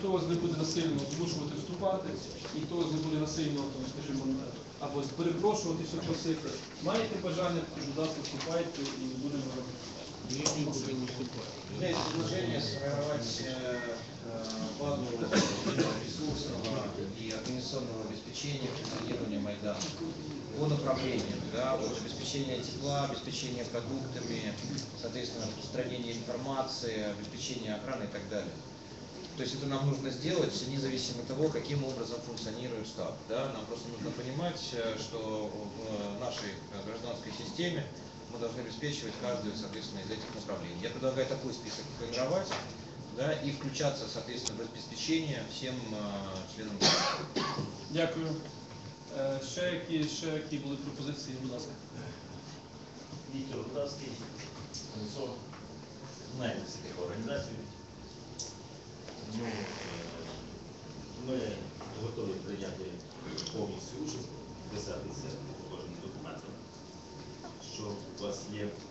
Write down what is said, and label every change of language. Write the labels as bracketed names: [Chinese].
[Ukrainian] Ніхто вас не буде насильно змушувати вступати, ніхто вас не буде насильно, скажімо, або перепрошуватися, просити. Маєте бажання, то, будь ласка, вступайте і будемо робити. Є предложення сформувати базу ресурсного і організаційного забезпечення функціонування Майдану. [Russian] По направлениям, да, вот, обеспечение тепла, обеспечение продуктами, соответственно, распространение информации, обеспечение охраны и так далее. То есть это нам нужно сделать, независимо от того, каким образом функционирует штаб. Да. Нам просто нужно понимать, что в нашей гражданской системе мы должны обеспечивать каждую, соответственно, из этих направлений. Я предлагаю такой список формировать, да, и включаться, соответственно, в обеспечение всем членам. [Ukrainian] Дякую. Ще які були пропозиції, будь ласка. Вітер Рудавський, спонсор найміських організацій. Ми готові прийняти повністю участь, вписатися по художніх документах, що у вас є.